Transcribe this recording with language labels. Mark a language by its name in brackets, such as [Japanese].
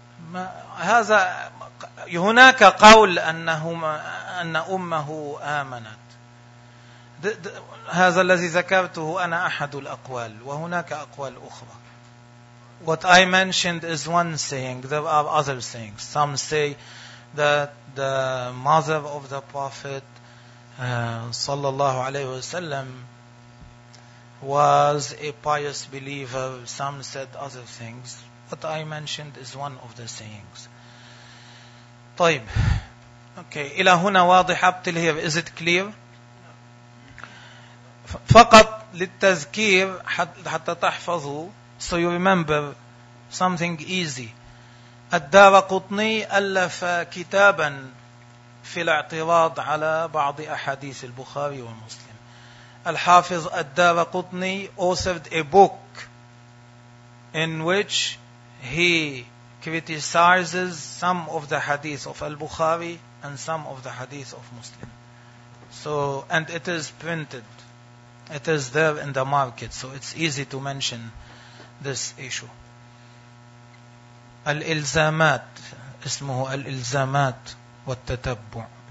[Arabic] ما هذا هناك قول أن أمه آمنت. هذا الذي ذكرته أنا أحد الأقوال وهناك أقوال أخرى. [English] What I mentioned is one saying. There are other sayings. Some say that the mother of the Prophet [Arabic] صلى الله عليه وسلم [English] was a pious believer. Some said other things. What I mentioned is one of the sayings. [Arabic] طيب. [English] Okay. [Arabic] إلى هنا واضح. [English] Up till here. Is it clear? [Arabic] فقط للتذكير حتى تحفظوا. [English] So you remember something easy. [Arabic] الدارقطني ألف كتابا في الاعتراض على بعض أحاديث البخاري ومسلم. [English] الحافظ الدارقطني authored a book in which he criticizes some of the hadith of al-Bukhari and some of the hadith of Muslim. So, and it is printed. It is there in the market. So it's easy to mention this issue. [Arabic] الإلزامات اسمه الإلزامات والتتبع.